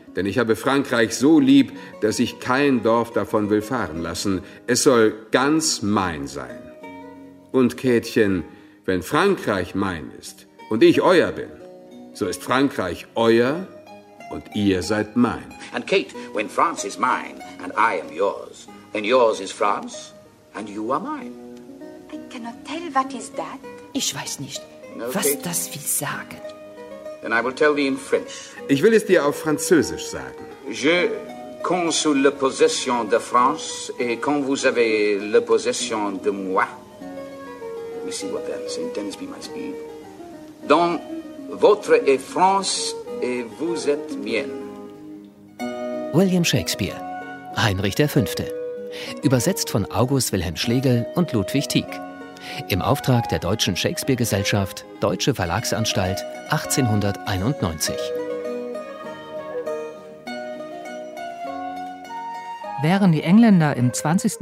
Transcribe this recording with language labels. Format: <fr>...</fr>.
<de>Denn ich habe Frankreich so lieb, dass ich kein Dorf davon will fahren lassen. Es soll ganz mein sein. Und Käthchen, wenn Frankreich mein ist und ich euer bin, so ist Frankreich euer und ihr seid mein.</de> <en>And Kate, when France is mine and I am yours, then yours is France and you are mine. I cannot tell what is that.</en> <de>Ich weiß nicht, was das will sagen.</de> <en>Then I will tell thee in French.</en> <de>Ich will es dir auf Französisch sagen.</de> <fr>Je compte sur la possession de France et quand vous avez la possession de moi.</fr> <en>Let me see what that sentence be my speed.</en> <fr>Dans votre est France et vous êtes mienne.</fr> <de>William Shakespeare, Heinrich der Fünfte. Übersetzt von August Wilhelm Schlegel und Ludwig Tieck. Im Auftrag der Deutschen Shakespeare-Gesellschaft, Deutsche Verlagsanstalt, 1891. Wären die Engländer im 20.</de>